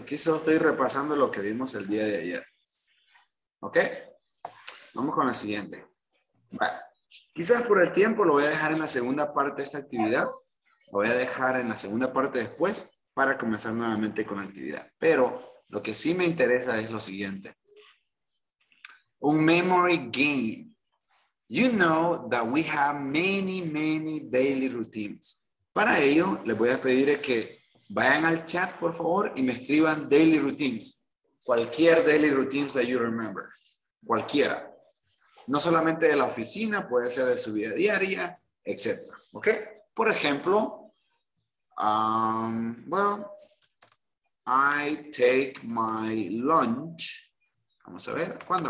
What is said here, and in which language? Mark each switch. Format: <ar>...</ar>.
<es>Aquí solo estoy repasando lo que vimos el día de ayer. ¿Ok? Vamos con la siguiente. Bueno, quizás por el tiempo lo voy a dejar en la segunda parte de esta actividad. Lo voy a dejar en la segunda parte después para comenzar nuevamente con la actividad. Pero lo que sí me interesa es lo siguiente. Un memory game.</es> <en>You know that we have many, many daily routines.</en> <es>Para ello, les voy a pedir que vayan al chat, por favor, y me escriban daily routines.</es> <en>Cualquier daily routines that you remember. Cualquiera.</en> <es>No solamente de la oficina, puede ser de su vida diaria, etc. ¿Ok? Por ejemplo,</es> <en>I take my lunch.</en> <es>Vamos a ver. ¿Cuándo?</es>